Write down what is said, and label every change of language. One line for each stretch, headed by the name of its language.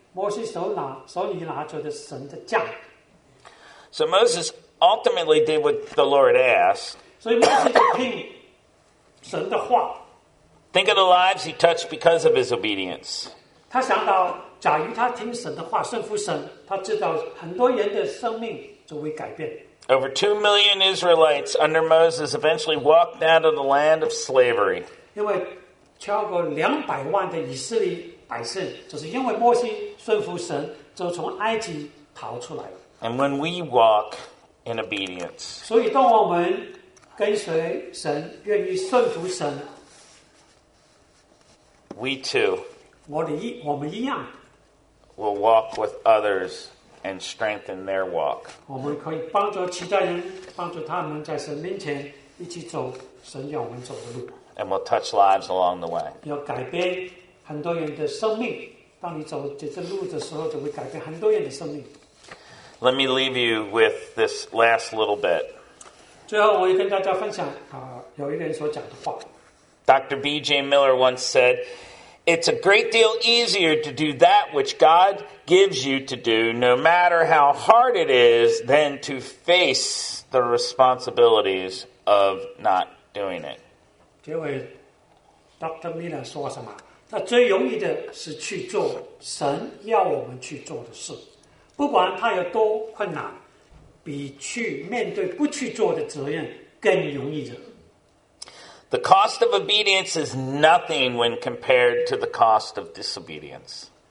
Chinese: 摩西手里拿着的神的杖。
English: So Moses ultimately did what the Lord asked.
Chinese: 所以摩西就听神的话。
English: Think of the lives he touched because of his obedience.
Chinese: 他想到。假如他听神的话，顺服神，他知道很多人的生命就会改变。
English: Over 2 million Israelites under Moses eventually walked out of the land of slavery.
Chinese: 因为超过200万的以色列百姓，就是因为摩西顺服神，就从埃及逃出来了。
English: And when we walk in obedience,
Chinese: 所以当我们跟随神，愿意顺服神
English: ，we too,
Chinese: 我们一样。
English: Will walk with others and strengthen their walk.
Chinese: 我们可以帮助其他人，帮助他们在神面前一起走神要我们走的路。
English: And we'll touch lives along the way.
Chinese: 要改变很多人的生命。当你走这条路的时候，就会改变很多人的生命。
English: Let me leave you with this last little bit.
Chinese: 最后，我也跟大家分享有一个人所讲的话。
English: Dr. B.J. Miller once said. It's a great deal easier to do that which God gives you to do, no matter how hard it is, than to face the responsibilities of not doing it.
Chinese: 这位 Dr. Miller 说什么？那最容易的是去做神要我们去做的事，不管它有多困难，比去面对不去做的责任更容易的。
English: The cost of obedience is nothing when compared to the cost of disobedience.